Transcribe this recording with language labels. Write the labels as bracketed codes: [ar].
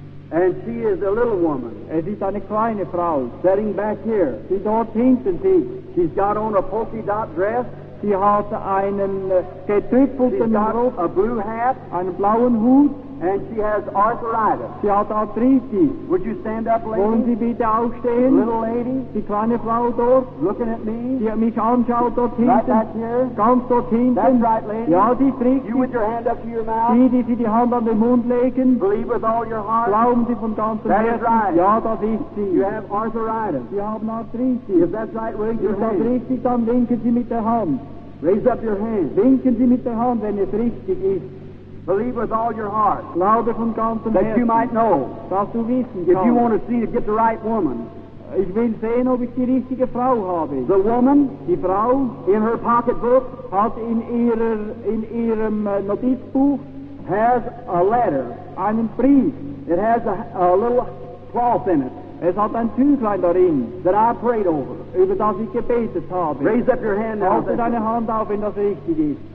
[en] And she is a little woman. [de] Es ist eine kleine Frau. [en] Sitting back here. [de] Sie dort hinten sitzt. [en] She's got on a polka dot dress. [de] Sie hat einen getüpfelten Rock. [en] A blue hat. [de] Einen blauen Hut. [en] And she has arthritis. [de] Sie hat Arthritis. [en] Would you stand up, lady? [de] Wollen Sie bitte aufstehen? [en] Little lady. [de] Die kleine Frau dort. [en] Looking at me. [de] Sie hat mich anschaut dort hinten. [en] Right back here. [de] Ganz dort hinten. [en] That's right, lady. [de] Ja, die trägt. [en] You with your hand up to your mouth. [de] Die, die Sie die Hand an den Mund legen. [en] Believe with all your heart. [de] Glauben Sie von ganzem [en] that [de] Herzen. [en] That is right. [de] Ja, das ist sie. [en] You have arthritis. [de] Sie haben Arthritis. [en] If that's right, raise your hand. [de] Ist das richtig, dann winken Sie mit der Hand. [en] Raise up your hand. [de] Winken Sie mit der Hand, wenn es richtig ist. [en] Believe with all your heart. [de] Glaube von ganzem Herzen. [en] That you might know. [de] Dass du wissen kannst. [en] If you want to see to get the right woman. [de] Ich will sehen, ob ich die richtige Frau habe. [en] The woman. [de] Die Frau. [en] In her pocketbook. [de] Hat in ihrem Notizbuch. [en] Has a letter. [de] Einen Brief. [en] It has a little cloth in it. [de] Es hat ein Tüchlein darin. [en] That I prayed over. [de] Über das ich gebetet habe. [en] Raise up your hand now. [de] Halte deine Hand auf, wenn das richtig ist.